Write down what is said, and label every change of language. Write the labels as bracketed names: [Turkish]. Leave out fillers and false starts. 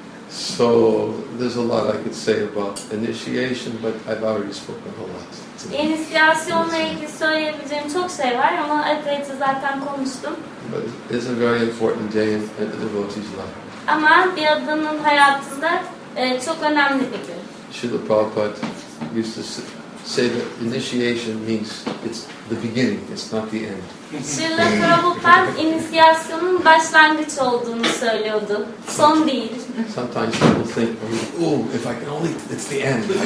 [English] So there's a lot I could say about initiation, but I've already spoken a lot. [Turkish] İnisiyasyonla ilgili söyleyebileceğim çok şey var ama epeyce zaten konuştum. [English] But it's a very important day in the devotee's life. [Turkish] Ama bir adamın hayatında çok önemli bir gün. [English] Srila Prabhupada used to say that initiation means it's the beginning, it's not the end. [Turkish] Srila Prabhupada inisiyasyonun başlangıç olduğunu söylüyordu. Son değil. [English] Sometimes people think, oh, if I can only, it's the end.